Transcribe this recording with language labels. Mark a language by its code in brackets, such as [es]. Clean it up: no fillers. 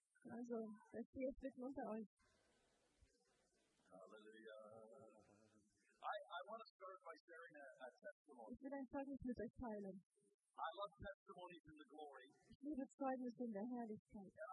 [de] Also, das Tier zwischen unter euch. Hallelujah. [en] I want to start by sharing a testimony. [de] Ich will ein Zeugnis mit euch teilen. [en] I love testimonies in the glory. [de] Ich liebe Zeugnis in der Herrlichkeit.